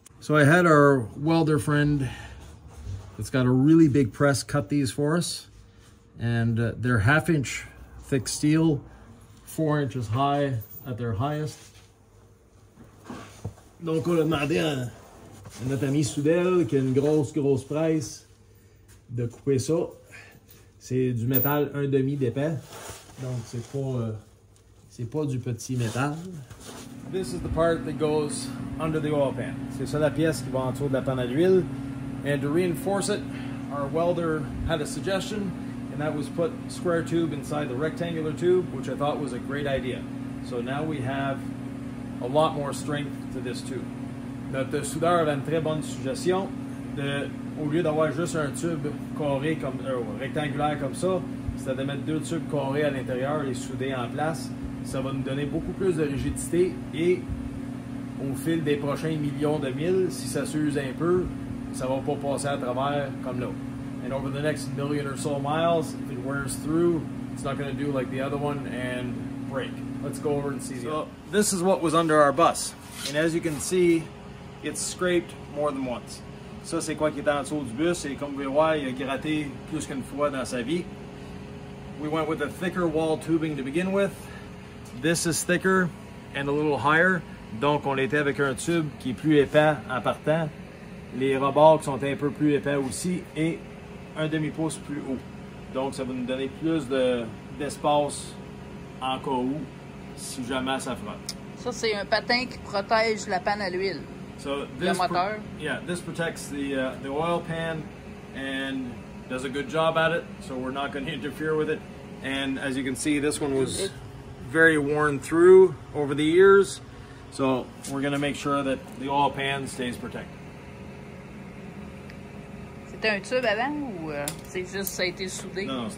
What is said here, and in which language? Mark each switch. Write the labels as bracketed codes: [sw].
[en] I had our welder friend that's got a really big press cut these for us, and they're half inch thick steel, 4 inches high at their highest. [fr] Donc on a demandé à notre ami Soudel, qui a une grosse, grosse presse, de couper ça. C'est du métal 1/2 d'épais, donc c'est pas du petit métal. [en] This is the part that goes under the oil pan. [fr] C'est ça la pièce qui va en dessous de la panne à l'huile. [en] And to reinforce it, our welder had a suggestion, and that was put square tube inside the rectangular tube, which I thought was a great idea. So now we have a lot more strength to this tube. [fr] Notre soudeur avait une très bonne suggestion de, au lieu d'avoir juste un tube carré comme rectangulaire comme ça, c'est de mettre deux tubes carrés à l'intérieur et souder en place. Ça va nous donner beaucoup plus de rigidité et au fil des prochains millions de milles, si ça s'use un peu, ça va pas passer à travers comme là. [en] And over the next million or so miles, if it wears through, it's not going to do like the other one and break. Let's go over and see. So this is what was under our bus. And as you can see, it's scraped more than once. [fr] Ça, c'est quoi qui était en dessous du bus. Et comme vous voyez, il a gratté plus qu'une fois dans sa vie. [en] We went with a thicker wall tubing to begin with. This is thicker and a little higher. [fr] Donc, on était avec un tube qui est plus épais en partant. Les rebords qui sont un peu plus épais aussi et 1/2 pouce plus haut. Donc, ça va nous donner plus de, d'espace en cas où, si jamais ça frotte. Ça, c'est un patin qui protège la panne à l'huile. [en] So this [fr] le moteur. [en] This protects the oil pan and does a good job at it, so we're not going to interfere with it. And as you can see, this one was very worn through over the years, so we're going to make sure that the oil pan stays protected. [fr] C'était un tube avant ou c'est juste ça a été soudé?